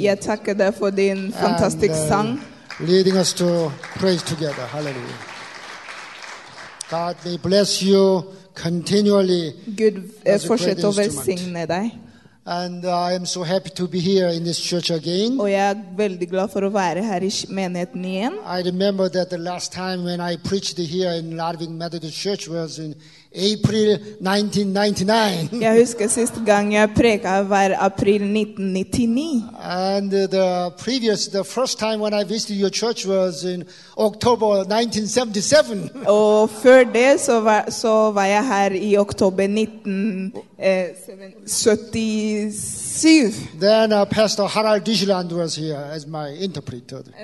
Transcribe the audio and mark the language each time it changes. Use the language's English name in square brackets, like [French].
[English] Yeah, thank you for the fantastic song. Leading us to praise together. Hallelujah. God may bless you continually. Good for sure to sing today. And I am so happy to be here in this church again. [Norwegian] Og jeg veldig glad for å være her I menigheten igjen. [English] I remember that the last time when I preached here in Larvik Methodist Church was in April 1999. [Norwegian] Jeg husker sist gang jeg preket var april 1999. [English] And the first time when I visited your church was in October 1977. [Norwegian] Og før det så var jeg her I oktober 1977. [English] Then Pastor Harald Dijeland was here as my interpreter.